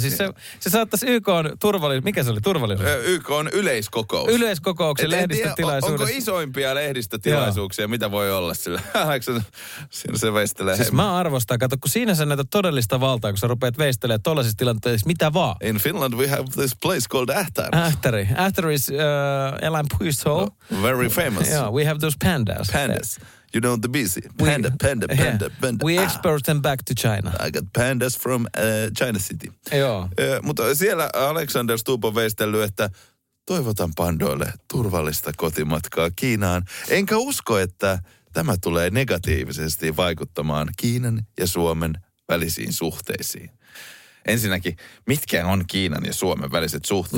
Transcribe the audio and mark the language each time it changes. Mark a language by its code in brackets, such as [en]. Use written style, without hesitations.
[fi] Siis se saattaisi YK:n turvallisuus, mikä se oli, YK:n yleiskokous. Yleiskokouksen lehdistötilaisuudessa. Onko isoimpia lehdistötilaisuuksia, mitä voi olla sillä? Siinä se veistelee. Siis mä arvostan, kato, kun siinä sä näytät todellista valtaa, kun sä rupeat veistelemaan tollaisissa tilanteissa, mitä vaan. [en] In Finland we have this place called Ähtäri. Ähtäri. Ähtäri is [fi] eläinpuisto. [en] No, very famous. Yeah, we have those pandas. Pandas. You know the busy. Panda. We export them back to China. I got pandas from China City. [fi] Joo. Mutta siellä Alexander Stubb on veistellyt, että toivotan pandoille turvallista kotimatkaa Kiinaan. Enkä usko, että tämä tulee negatiivisesti vaikuttamaan Kiinan ja Suomen välisiin suhteisiin. Ensinnäkin, mitkä on Kiinan ja Suomen väliset suhteet?